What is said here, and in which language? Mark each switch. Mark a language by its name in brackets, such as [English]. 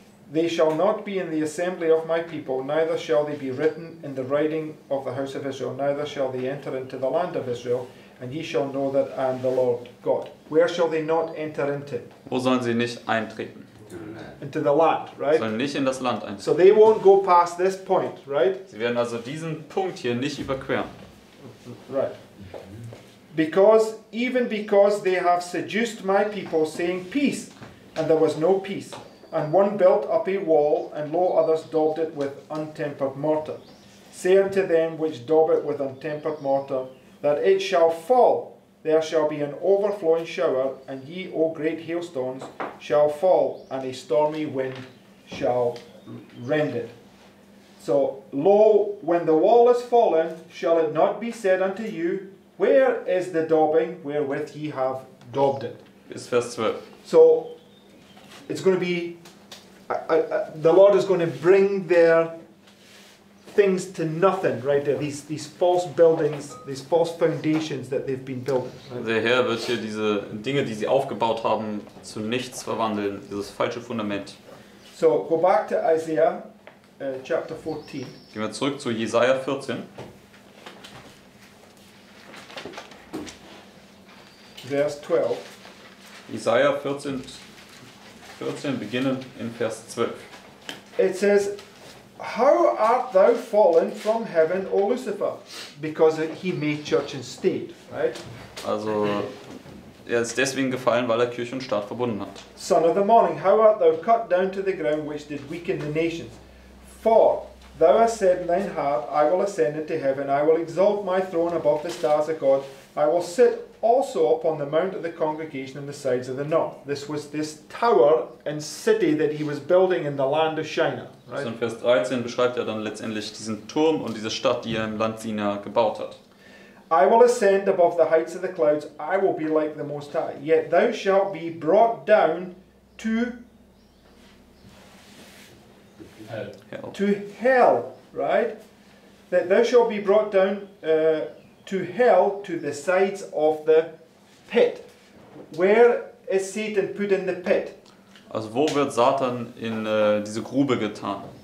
[English] They shall not be in the assembly of my people, neither shall they be written in the writing of the house of Israel, neither shall they enter into the land of Israel, and ye shall know that I am the Lord God." Where shall they not enter into? [German] Wo sollen sie nicht eintreten? [English] Into the land, right? [German] Sollen nicht in das Land eintreten. [English] So they won't go past this point, right? [German] Sie werden also diesen Punkt hier nicht überqueren. [English] Right. Because even because they have seduced my people, saying peace, and there was no peace, and one built up a wall, and lo, others daubed it with untempered mortar. Say unto them which daub it with untempered mortar, that it shall fall. There shall be an overflowing shower, and ye, O great hailstones, shall fall, and a stormy wind shall rend it. So, lo, when the wall is fallen, shall it not be said unto you, where is the daubing wherewith ye have daubed it? It's verse 12. So, it's going to be, the Lord is going to bring their things to nothing, right there, these false buildings, these false foundations that they've been building. Right? [German] Der Herr wird hier diese Dinge, die sie aufgebaut haben, zu nichts verwandeln, dieses falsche Fundament. [English] So, go back to Isaiah chapter 14. [German] Gehen wir zurück zu Jesaja 14. [English] Verse 12. [German] Jesaja 14 beginnend in Vers 12. [English] It says, "How art thou fallen from heaven, O Lucifer? Because he made church and state." Right? [German] Also, ist deswegen gefallen, weil Kirche und Staat verbunden hat. [English] "Son of the morning, how art thou cut down to the ground, which did weaken the nations? For thou hast said in thine heart, I will ascend into heaven, I will exalt my throne above the stars of God, I will sit also upon the mount of the congregation in the sides of the north." This was this tower and city that he was building in the land of Shinar. Right? [German] So in Vers 13 beschreibt dann letztendlich diesen Turm und diese Stadt, die im Land Sinai gebaut hat. [English] "I will ascend above the heights of the clouds, I will be like the Most High. Yet thou shalt be brought down to hell." To hell, right? "That thou shalt be brought down to hell, to the sides of the pit." Where is Satan put in the pit? [German] Also wo wird Satan in diese Grube getan?